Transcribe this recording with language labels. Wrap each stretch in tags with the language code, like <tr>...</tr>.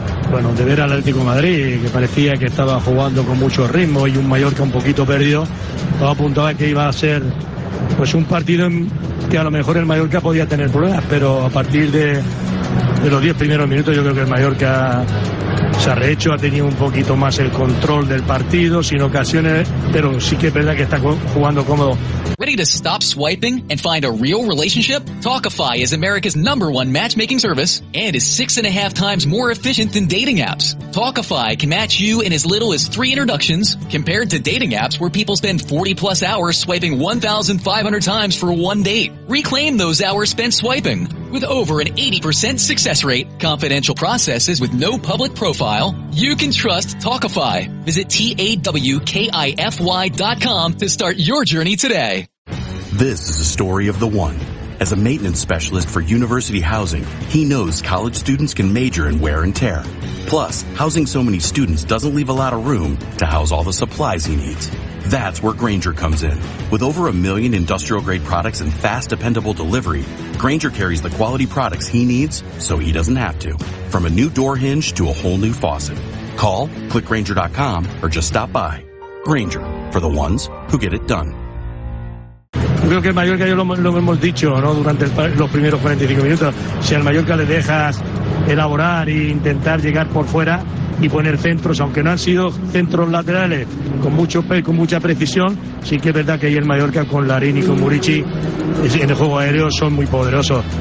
<es>Bueno, de ver al Atlético de Madrid, que parecía que estaba jugando con mucho ritmo y un Mallorca un poquito perdido, todo apuntaba que iba a ser pues un partido en que a lo mejor el Mallorca podía tener problemas, pero a partir de los 10 primeros minutos yo creo que el Mallorca se ha rehecho, ha tenido un poquito más el control del partido, sin ocasiones, pero sí que es verdad que está jugando cómodo.</es> <en>Ready to stop swiping and find a real relationship? Talkify is America's number one matchmaking service and is 6.5 times more efficient than dating apps. Talkify can match you in as little as 3 introductions compared to dating apps where people spend 40 plus hours swiping 1,500 times for one date. Reclaim those hours spent swiping. With over an 80% success rate, confidential processes with no public profile, you can trust Talkify. Visit TAWKIFY.com to start your journey today. This is the story of the one. As a maintenance specialist for university housing, he knows college students can major in wear and tear. Plus, housing so many students doesn't leave a lot of room to house all the supplies he needs. That's where Grainger comes in. With over a million industrial-grade products and fast, dependable delivery, Grainger carries the quality products he needs so he doesn't have to. From a new door hinge to a whole new faucet. Call, clickgrainger.com, or just stop by. Grainger, for the ones who get it done.</en> <es>Creo que el Mallorca, ya lo hemos dicho, ¿no? Durante los primeros 45 minutos, si al Mallorca le dejas elaborar e intentar llegar por fuera y poner centros, aunque no han sido centros laterales con mucho pe, con mucha precisión, sí que es verdad que ahí el Mallorca con Larín y con Murici en el juego aéreo son muy poderosos.</es>